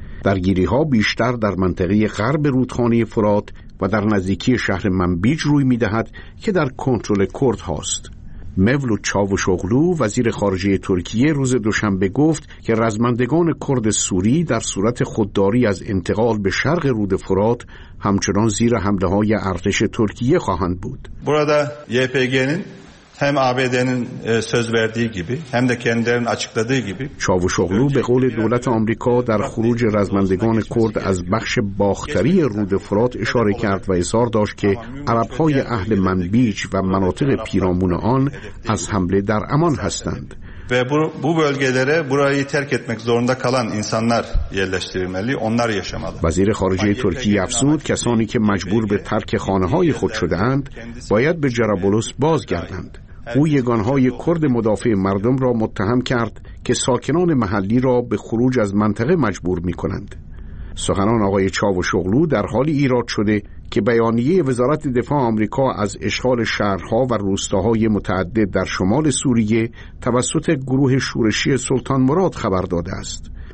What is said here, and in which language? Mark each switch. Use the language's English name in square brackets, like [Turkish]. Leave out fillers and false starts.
[Persian] درگیری ها بیشتر در منطقه غرب رودخانه فرات و در نزدیکی شهر منبیج روی می دهد که در کنترل کرد هاست. مولود چاوشاوغلو وزیر خارجه ترکیه روز دوشنبه گفت که رزمندگان کرد سوری در صورت خودداری از انتقال به شرق رود فرات همچنان زیر حمله های ارتش ترکیه خواهند بود. [Turkish] Burada YPG'nin hem ABD'nin söz verdiği gibi hem de kendilerinin açıkladığı gibi [Persian] Çavuşoğlu به قول دولت آمریکا در خروج رزمندگان کرد از بخش باختری رود فرات اشاره کرد و اظهار داشت که عرب‌های اهل منبیج و مناطق پیرامون آن از حمله در امان هستند. [Turkish] Ve bu bölgelere burayı terk etmek zorunda kalan insanlar yerleştirilmeli, onlar yaşamalı. [Persian] وزیر خارجه ترکیه افزود کسانی که مجبور به ترک خانه‌های خود شده‌اند باید به جرابلوس بازگردند. او یگانهای کرد مدافع مردم را متهم کرد که ساکنان محلی را به خروج از منطقه مجبور می‌کنند. سخنان آقای چاوشاوغلو در حالی ایراد شده که بیانیه وزارت دفاع آمریکا از اشغال شهرها و روستاهای متعدد در شمال سوریه توسط گروه شورشی سلطان مراد خبر داده است.